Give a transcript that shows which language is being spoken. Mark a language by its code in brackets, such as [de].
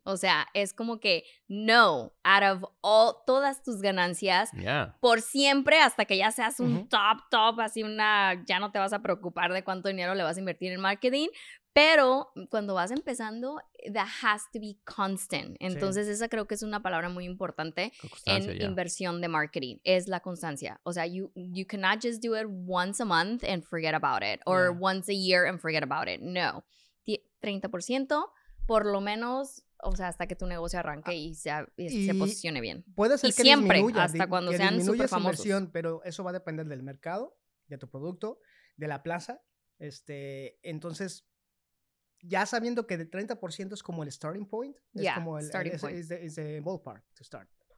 [es] O sea, es como que, no, [en] out of all, [es] todas tus ganancias, por siempre, hasta que ya seas un top, así una, ya no te vas a preocupar de cuánto dinero le vas a invertir en marketing, pero cuando vas empezando, [en] that has to be constant. [es] Entonces, esa creo que es una palabra muy importante en inversión de marketing, es la constancia. O sea, [en] you cannot just do it once a month and forget about it, or once a year and forget about it. [es] No, 30% por lo menos, o sea, hasta que tu negocio arranque y se posicione bien. Puede ser que siempre, disminuya, hasta cuando sean super famosos, pero eso va a depender del mercado, de tu producto, de la plaza. Entonces, ya sabiendo que de 30% es como el [en] starting point, ballpark to start.